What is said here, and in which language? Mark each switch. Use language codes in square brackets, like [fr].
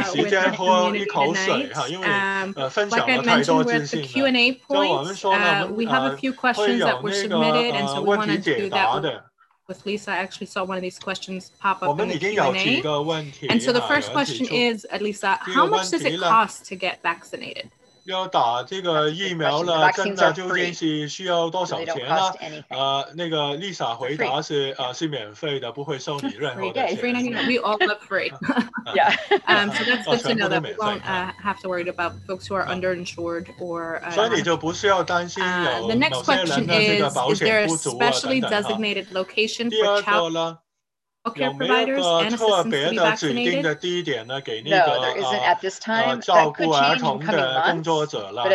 [en] Like I mentioned with the Q&A points, we have a few questions that were submitted, and so we wanted to do that with Lisa. I actually saw one of these questions pop up in the Q&A. And so the first question is, Lisa, how much does it cost to get vaccinated? [zh] 要打这个疫苗了，真的究竟是需要多少钱呢？那个 Lisa 回答是是免费的，不会收你任何的钱。 [en] Yeah, free. We all love free. Yeah. So that's good to know that we won't have to worry about folks who are underinsured or. [zh] 所以你就不需要担心有 [en] The next question is there a specially designated location for child? [zh] 第二个呢？有没有个特别的指定的地点呢？给那个照顾儿童的工作者了。